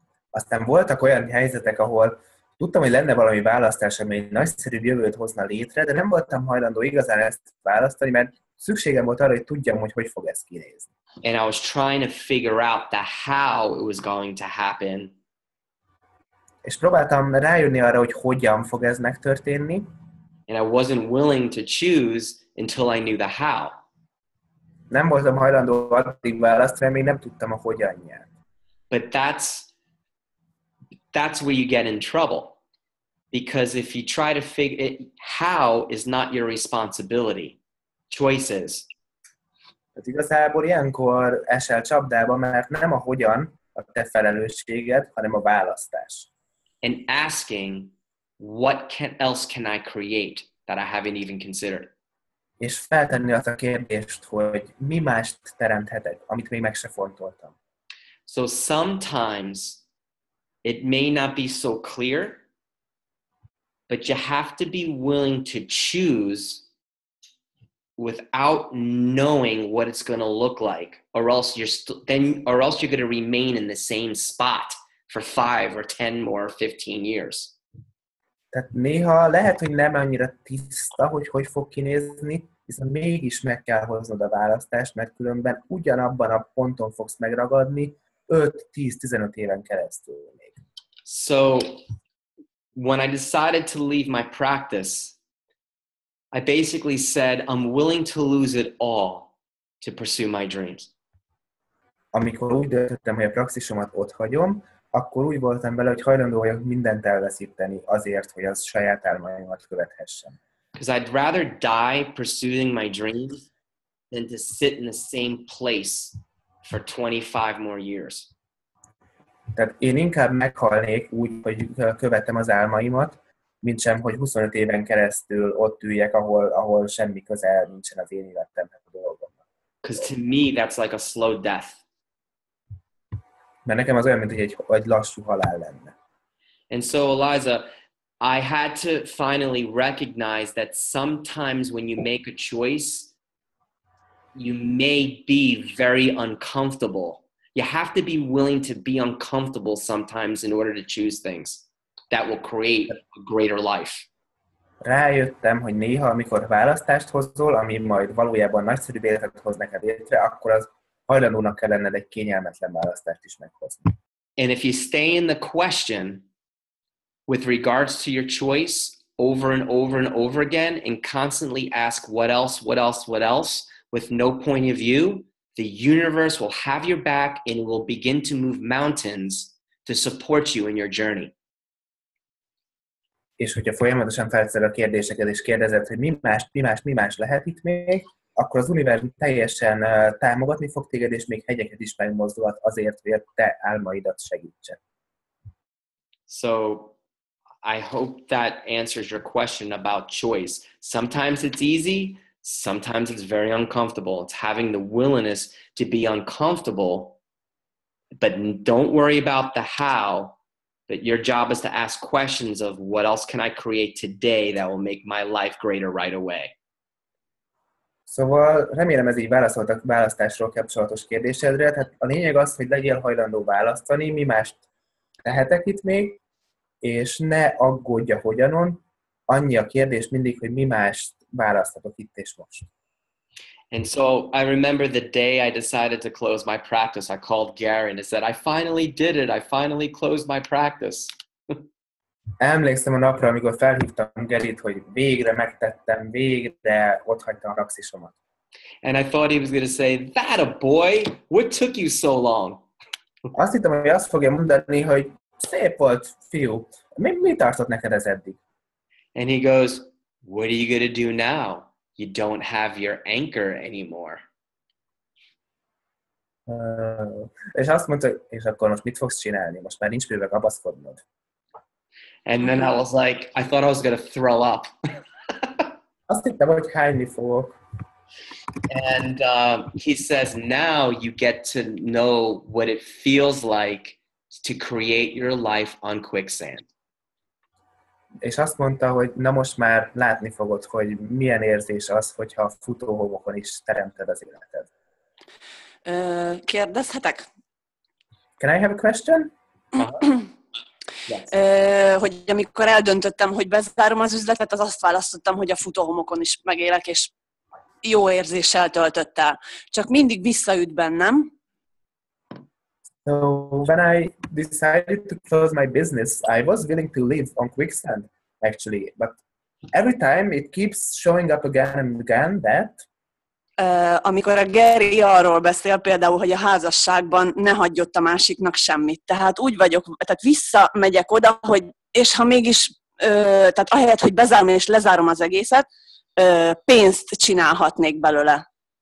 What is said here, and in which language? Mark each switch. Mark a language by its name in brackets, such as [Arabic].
[Hungarian] Aztán voltak olyan helyzetek, ahol tudtam, hogy lenne valami választás, ami egy nagyszerűbb jövőt hozna létre, de nem voltam hajlandó igazán ezt választani, mert szükségem volt arra, hogy tudjam, hogy hogy fog ez kinézni. [English] And I was trying to figure out the how it was going to happen. [Hungarian] És próbáltam rájönni arra, hogy hogyan fog ez megtörténni. [English] And I wasn't willing to choose until I knew the how. [Hungarian] Nem voltam hajlandó addig választani, még nem tudtam a hogyanját. [English] But that's where you get in trouble. Because if you try to figure it, how is not your responsibility. Choices. [Hungarian] Hát igazából ilyenkor esel csapdába, mert nem a hogyan a te felelősséged, hanem a választás. [English] And asking, what else can I create that I haven't even considered? [Hungarian] És feltenni azt a kérdést, hogy mi mást teremthetek, amit még meg se fontoltam. [English] So sometimes it may not be so clear, but you have to be willing to choose without knowing what it's going to look like, or else you're going to remain in the same spot for 5 or 10 more 15 years. [Hungarian] Tehát néha lehet, hogy nem annyira tiszta, hogy fog kinézni, hiszen mégis meg kell hoznod a választást, mert különben ugyanabban a ponton fogsz megragadni 5-10-15 éven keresztül még. [English] So when I decided to leave my practice, I basically said, I'm willing to lose it all to pursue my dreams. [Hungarian] Amikor úgy döntöttem, hogy a praxisomat otthagyom, akkor úgy voltam vele, hogy hajlandó vagyok mindent elveszíteni azért, hogy az saját álmaimat követhessem. [English] Because I'd rather die pursuing my dreams than to sit in the same place for 25 more years. [Hungarian] Tehát én inkább meghalnék úgy, hogy követem az álmaimat, mint sem, hogy 25 éven keresztül ott üljek, ahol semmi közel nincsen az én életemnek a dolgomnak. [English] Because to me, that's like a slow death. [Hungarian] Mert nekem az olyan, mint hogy egy lassú halál lenne. [English] And so, Eliza, I had to finally recognize that sometimes when you make a choice, you may be very uncomfortable. You have to be willing to be uncomfortable sometimes in order to choose things that will create a greater life. [Hungarian] rájöttem, hogy néha, amikor választást hozol, ami majd valójában nagyszerű életet hoz neked létre, akkor az hajlandónak kell lenned egy kényelmetlen választást is meghozni. [English] And if you stay in the question with regards to your choice over and over and over again and constantly ask what else, what else, what else, with no point of view, the universe will have your back and will begin to move mountains to support you in your journey. [Hungarian] És hogyha folyamatosan felteszed a kérdéseket és kérdezed, hogy mi más lehet itt még, akkor az univerzum teljesen támogatni fog téged, és még hegyeket is megmozdulhat azért, hogy a te álmaidat segítse. [English] So, I hope that answers your question about choice. Sometimes it's easy, sometimes it's very uncomfortable. It's having the willingness to be uncomfortable, but don't worry about the how. But your job is to ask questions of what else can I create today that will make my life greater right away. [Hungarian] Szóval remélem ez így válaszolt a választásról kapcsolatos kérdésedre. Tehát a lényeg az, hogy legyél hajlandó választani, mi mást lehetek itt még, és ne aggódj a hogyanon. Annyi a kérdés mindig, hogy mi mást választhatok itt és most. [English] And so I remember the day I decided to close my practice. I called Gary and I said, I finally did it. I finally closed my practice. [Hungarian] Emlékszem a napra, amikor felhívtam Garyt, hogy végre megtettem, végre otthagytam a praxisomat. [English] And I thought he was going to say, that a boy, what took you so long? [Hungarian] Azt hittem, hogy azt fogja mondani, hogy szép volt, fiú. Mi tartott neked ez eddig? [English] And he goes, what are you going to do now? You don't have your anchor anymore. [Hungarian] És azt mondta, és akkor most mit fogsz csinálni? Most már nincs mivel kapaszkodnod. [English] And then I was like, I thought I was going to throw up. [Hungarian] Azt hittem, hogy hányni fogok. [English] And he says, now you get to know what it feels like to create your life on quicksand. [Hungarian] És azt mondta, hogy na most már látni fogod, hogy milyen érzés az, hogyha a futóhomokon is teremted az életed. Kérdezhetek? [English] Can I have a question? [Hungarian] Hogy amikor eldöntöttem, hogy bezárom az üzletet, az azt választottam, hogy a futóhomokon is megélek, és jó érzéssel töltött el. Csak mindig visszaüt bennem. [English] So when I decided to close my business, I was willing to live on quicksand, actually. But every time it keeps showing up again and again that... [Hungarian] Amikor a Gary arról beszél például, hogy a házasságban ne hagyj ott a másiknak semmit. Tehát úgy vagyok, tehát visszamegyek oda, hogy, és ha mégis, tehát ahelyett, hogy bezárom és lezárom az egészet, pénzt csinálhatnék belőle.